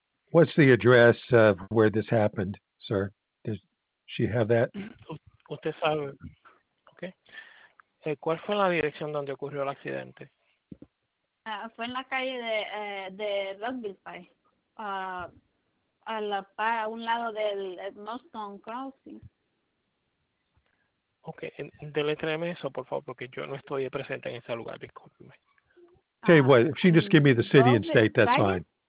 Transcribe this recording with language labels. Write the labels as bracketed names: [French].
[English] What's the address of where this happened, sir? Does she have that? [Spanish] Usted sabe. Okay. ¿Cuál fue la dirección donde ocurrió el accidente? Fue en la calle de Rockville Pike. A un lado del Moston Crossing. Okay. Deletreme eso, por favor, porque yo no estoy presente en ese lugar. Discúlpeme. [English] Okay, well, if she just give me the city and state, that's fine.